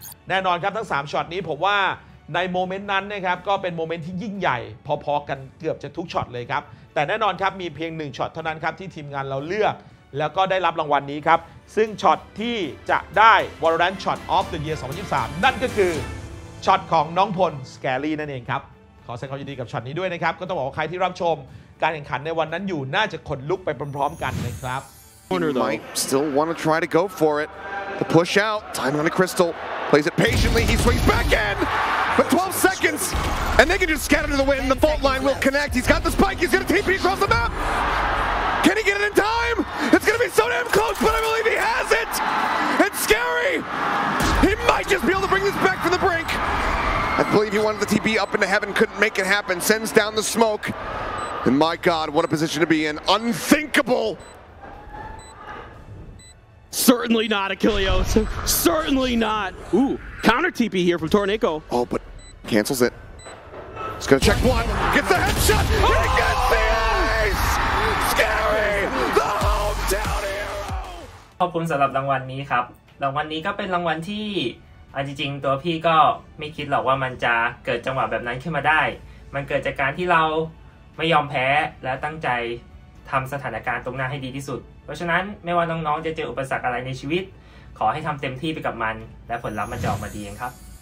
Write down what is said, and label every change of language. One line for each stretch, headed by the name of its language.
Thai: แน่นอนครับทั้ง3ช็อตนี้ผมว่าในโมเมนต์นั้นนะครับก็เป็นโมเมนต์ที่ยิ่งใหญ่พอๆกันเกือบจะทุกช็อตเลยครับแต่แน่นอนครับมีเพียง1ช็อตเท่านั้นครับที่ทีมงานเราเลือกแล้วก็ได้รับรางวัลนี้ครับซึ่งช็อตที่จะได้ Valorant Shot of the Year 2023นั่นก็คือช็อตของน้องพล Scary นั่นเองครับขอแสดงความยินดีกับช็อตนี้ด้วยนะครับก็ต้องบอกว่าใครที่รับชมการแข่งขันในวันนั้นอยู่น่าจะขนลุกไปพร้อมๆกันนะครับ
English: Might still want to try to go for it the push out time on the crystal plays it patiently he swings back in but 12 seconds and they can just scatter to the wind the fault line will connect he's got the spike he's going to TP across the map can he get it in time it's going to be so damn close but I believe he has it it's scary he might just be able to bring this back from the brink I believe he wanted the TP up into heaven couldn't make it happen sends down the smoke and my god what a position to be in unthinkable certainly not Achilleos certainly not ooh counter TP here from Tornico oh but cancels it he's gonna check one gets the headshot he gets the ace scary the hometown hero
Thai: ขอบคุณสำหรับรางวัลนี้ครับรางวัลนี้ก็เป็นรางวัลที่จริงๆตัวพี่ก็ไม่คิดหรอกว่ามันจะเกิดจังหวะแบบนั้นขึ้นมาได้มันเกิดจากการที่เราไม่ยอมแพ้และตั้งใจทำสถานการณ์ตรงหน้าให้ดีที่สุดเพราะฉะนั้นไม่ว่าน้องๆจะเจออุปสรรคอะไรในชีวิตขอให้ทำเต็มที่ไปกับมันและผลลัพธ์มันจะออกมาดีเองครับ